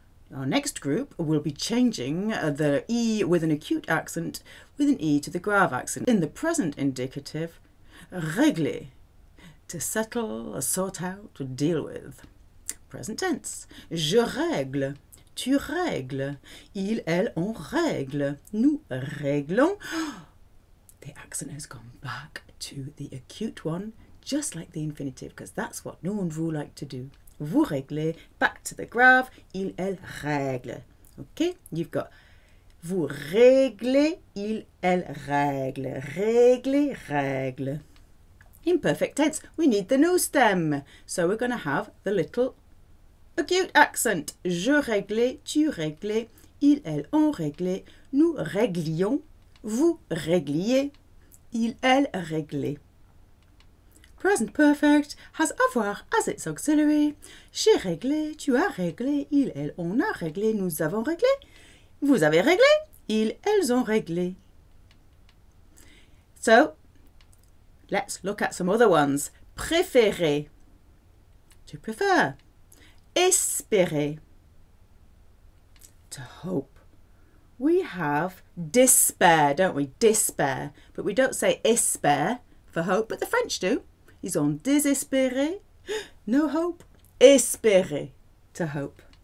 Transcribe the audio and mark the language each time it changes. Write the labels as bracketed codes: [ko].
[en] Our next group will be changing the E with an acute accent with an E to the grave accent. In the present indicative, régler, to settle, sort out, or deal with. Present tense. [fr] Je règle, tu règles, ils, elles, on règle, nous réglons. [en] The accent has gone back to the acute one, just like the infinitive, because that's what nous and vous like to do. [fr] Vous réglez, [en] back to the grave, [fr] il, elle, règle. [en] Okay, you've got [fr] vous réglez, il, elle, règle. Régler, règle. [en] Imperfect tense, we need the nous stem. So we're going to have the little acute accent. [fr] Je réglé, tu réglé, il, elle, on réglé, nous réglions, vous régliez, il, elle, réglé. [en] Present perfect has avoir as its auxiliary. [fr] J'ai réglé, tu as réglé, il, elle, on a réglé, nous avons réglé, vous avez réglé, ils, elles ont réglé. [en] So, let's look at some other ones. Préférer, to prefer. Espérer, to hope. We have despair, don't we? Despair. But we don't say espère for hope, but the French do. [fr] Ils ont désespéré, [en] no hope, [fr] espéré, [en] to hope.